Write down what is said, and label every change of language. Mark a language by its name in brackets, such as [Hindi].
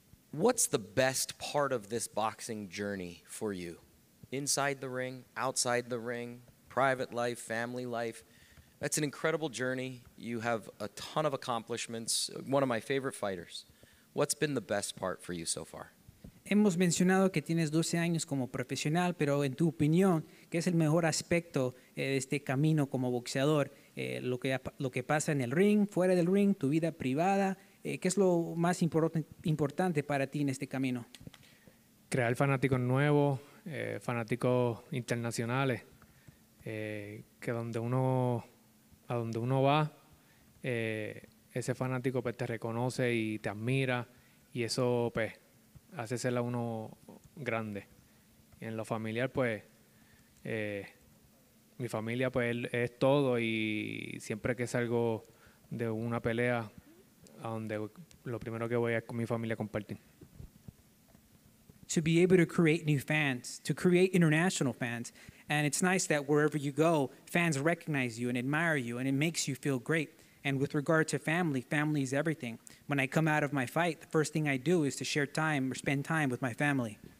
[English] What's the best part of this boxing journey for you? Inside the ring, outside the ring, private life, family life. That's an incredible journey. You have a ton of accomplishments. One of my favorite fighters. What's been the best part for you so far? [Spanish] Hemos mencionado que tienes 12 años como profesional, pero en tu opinión, ¿qué es el mejor aspecto de este camino como boxeador? Lo que pasa en el ring, fuera del ring, tu vida privada, ¿qué es lo más importante para ti en este camino? Crear fanáticos nuevos, fanáticos internacionales, que a donde uno va, ese fanático pues, te reconoce y te admira, y eso pues, hace ser a uno grande. Y en lo familiar, pues... Mi familia pues es todo y siempre que salgo de una pelea a donde lo primero que voy es con mi familia compartir. [English] To be able to create new fans, to create international fans, and it's nice that wherever you go, fans recognize you and admire you and it makes you feel great. And with regard to family, family is everything. When I come out of my fight, the first thing I do is to share time or spend time with my family.